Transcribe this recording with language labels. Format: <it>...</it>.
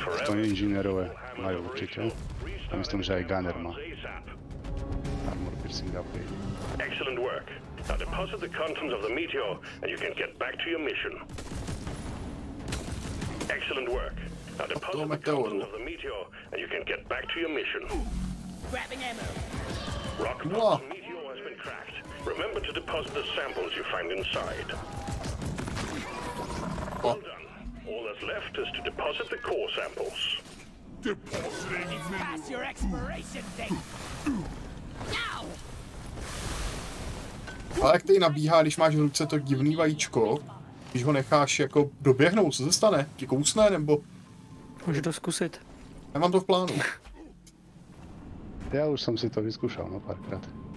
<sk>To je inžinierové, majú určite. A myslím, že aj Gunner má.</sk> <en>Armor piercing upgrade. Excellent work. Now deposit the contents of the meteor and you can get back to your mission. Excellent work. Now deposit the contents of the meteor and you can get back to your mission. Grabbing ammo. Rock pod's meteor has been cracked. Remember to deposit the samples you find inside. Well done. All that's left is to deposit the core samples. Depositing. It's past your expiration date. Now.</en> <cs>A jak ty nabíhá, když máš v ruce to divný vajíčko, když ho necháš jako doběhnout, co se stane? Ti kousne, nebo? Můžu to zkusit. Já mám to v plánu. Já už jsem si to vyzkoušel, no, párkrát.</cs>